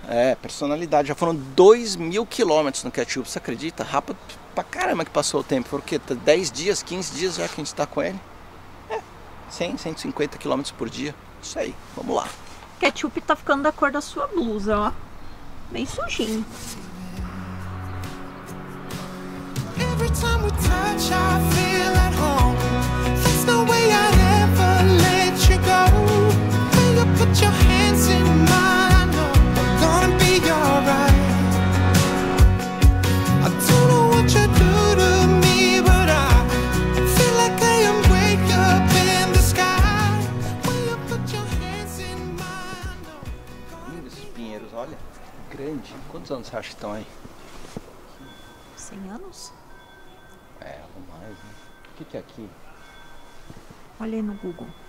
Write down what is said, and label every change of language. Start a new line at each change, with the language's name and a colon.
Portuguese: É, personalidade. Já foram 2.000 quilômetros no ketchup, você acredita? Rápido pra caramba que passou o tempo. Foram o quê? 10 dias, 15 dias já que a gente tá com ele. É, 100, 150 quilômetros por dia. Isso aí, vamos lá. O ketchup tá ficando da cor da sua blusa, ó. Bem sujinho.
English: Every time we touch, I feel at home. There's no way I'd ever let you go. When you put your hands in mine, I know I'm gonna be alright. I don't know what you do to me, but I feel like I am wake up in the sky. When you put your hands in mine, I know.
Portuguese: Lindo esses pinheiros, olha. Grande. Quantos anos você acha que estão aí? 100 anos? É, algo mais, né? O que, que é aqui? Olhei no Google.